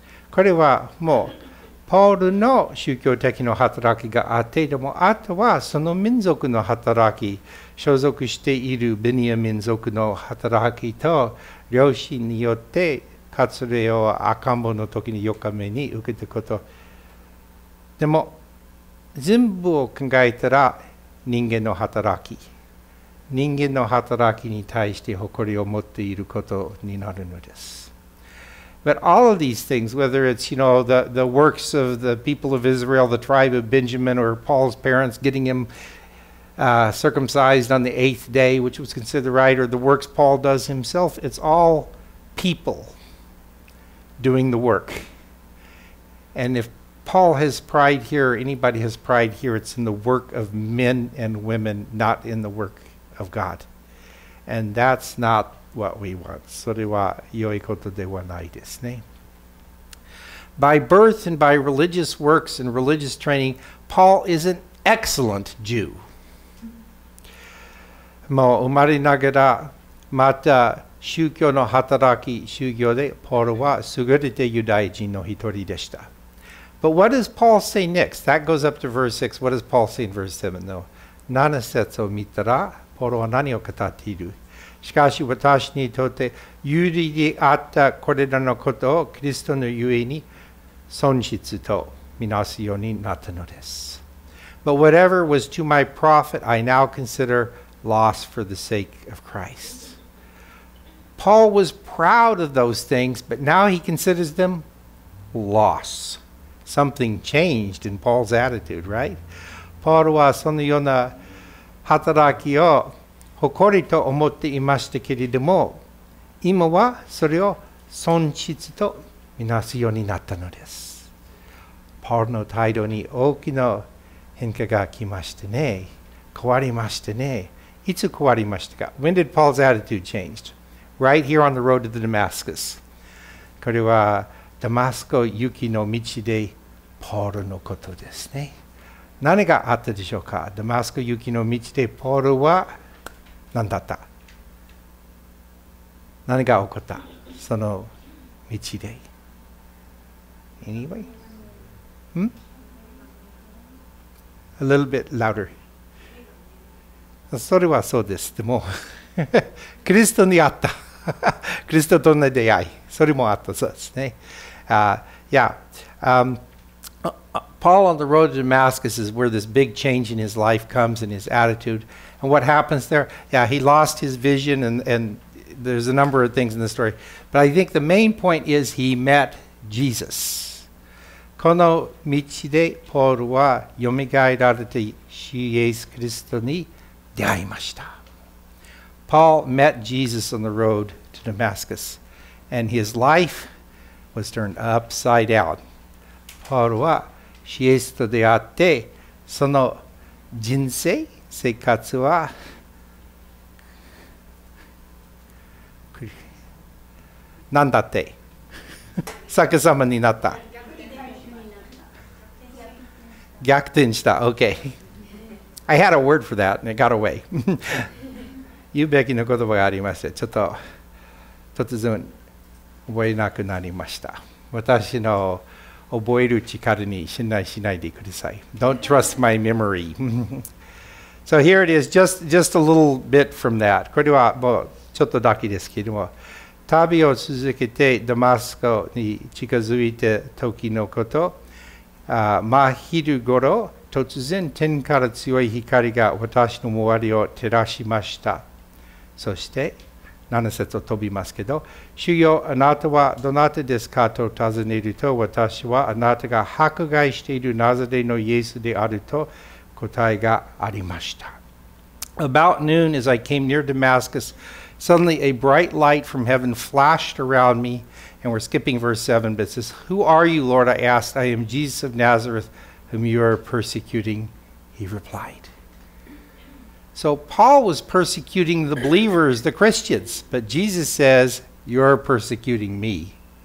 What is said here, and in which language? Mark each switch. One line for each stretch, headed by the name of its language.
Japanese: これはもうポールの宗教的の働きがあって、でもあとはその民族の働き、所属しているベニヤ民族の働きと両親によって割礼を赤ん坊の時に4日目に受けたこと、でも全部を考えたら人間の働き、人間の働きに対して誇りを持っていることになるのです。
English: But all of these things, whether it's, you know, the works of the people of Israel, the tribe of Benjamin, or Paul's parents getting himcircumcised on the eighth day, which was considered right, or the works Paul does himself, it's all people doing the work. And if Paul has pride here, anybody has pride here, it's in the work of men and women, not in the work of God. And that's not what we want.
Japanese: それは良いことではないですね。
English: By birth and by religious works and religious training, Paul is an excellent Jew.
Japanese: もう生まれながらまた宗教の働き、宗教でポールは優れてユダヤ人の一人でした。
English: But what does Paul say next? That goes up to verse 6. What does Paul say in verse 7 though?
Japanese: 7節を見たら、ポールは何を語っている。しかし私にとって有利であったこれらのことをキリストのゆえに損失と見なすようになったのです。
English: But whatever was to my profit, I now consider loss for the sake of Christ. Paul was proud of those things, but now he considers them loss. Something changed in Paul's attitude, right?
Japanese: Paul はそのような働きを誇りと思っていましたけれども、今はそれを損失とみなすようになったのです。 Paul の態度に大きな変化が来ましてね。変わりましてね。いつ変わりましたか?
English: When did Paul's attitude change? Right here on the road to the Damascus.
Japanese: これはダマスコ行きの道でポールのことですね。何があったでしょうか?ダマスコ行きの道でポールは何だった? 何が起こった?その道で。
English: Anyway? A little bit louder.
Japanese: それはそうです。でも、クリストに会った。クリストとの出会い、それもあったそうですね。
English: Paul on the road to Damascus is where this big change in his life comes and his attitude. And what happens there? Yeah, he lost his vision and there's a number of things in the story. But I think the main point is he met Jesus.
Japanese: この道でポールはよみがえられて主イエス・キリストに出会いました。
English: Paul met Jesus on the road to Damascus, and his life was turned upside down.
Japanese: Paul は、イエスと出会って、その人生、生活は、何だって? 逆さまになった。逆転した。Okay.
English: I had a word for that and it got away.
Japanese: 言うべきの言葉がありました。ちょっと突然覚えなくなりました。私の覚える力に信頼しないでください。
English: Don't trust my memory. So here it is, just a little bit from that.
Japanese: これはもうちょっとだけですけども、旅を続けてダマスコに近づいた時のこと、真昼ごろ突然天から強い光が私の周りを照らしました。そして何節を飛びますけど、主よあなたはどなたですかと尋ねると、私はあなたが迫害しているナザレのイエスであると答えがありました。
English: About noon as I came near DamascusSuddenly a bright light from heaven flashed around me, and we're skipping verse 7, but it says, Who are you, Lord? I asked. I am Jesus of Nazareth, whom you are persecuting, he replied. So Paul was persecuting the believers, the Christians, but Jesus says, You're persecuting me.